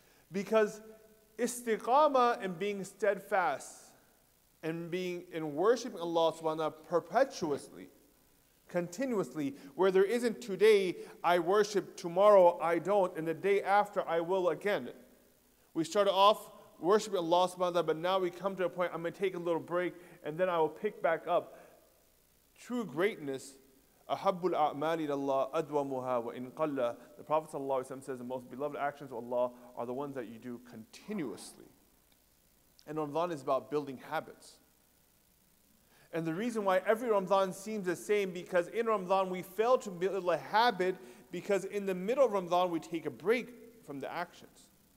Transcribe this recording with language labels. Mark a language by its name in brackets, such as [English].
[English] Because istiqamah and being steadfast and being in worshiping Allah subhanahu wa ta'ala perpetuously, continuously, where there isn't today I worship, tomorrow I don't, and the day after I will again. We started off worshiping Allah subhanahu wa ta'ala, but now we come to a point I'm going to take a little break and then I will pick back up. True greatness, [Arabic] أَحَبُّ الْأَعْمَالِ لَلَّهِ أَدْوَمُهَا وَإِنْ قَلَّ. [English] The Prophet ﷺ says the most beloved actions of Allah are the ones that you do continuously. And Ramadan is about building habits. And the reason why every Ramadan seems the same, because in Ramadan we fail to build a habit, because in the middle of Ramadan we take a break from the actions.